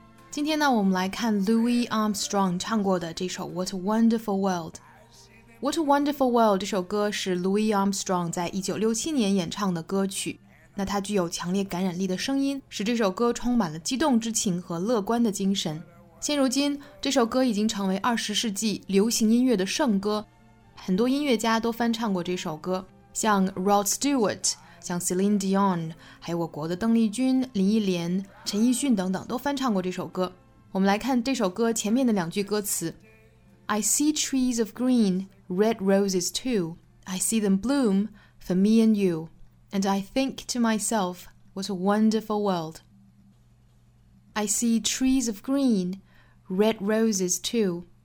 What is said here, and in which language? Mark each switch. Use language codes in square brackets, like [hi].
[zh] 今天呢，我们来看 Louis Armstrong 唱过的这首 What a Wonderful World。 What a Wonderful World 这首歌是 Louis Armstrong 在1967年演唱的歌曲。那他具有强烈感染力的声音，使这首歌充满了激动之情和乐观的精神。现如今，这首歌已经成为20世纪流行音乐的圣歌，很多音乐家都翻唱过这首歌，像 Rod Stewart， 像 Celine Dion， 还有我国的邓丽君、林忆莲、陈奕迅等等都翻唱过这首歌。我们来看这首歌前面的两句歌词： [en] I see trees of green, red roses too. I see them bloom for me and you. And I think to myself, what a wonderful world. I see trees of green, red roses too.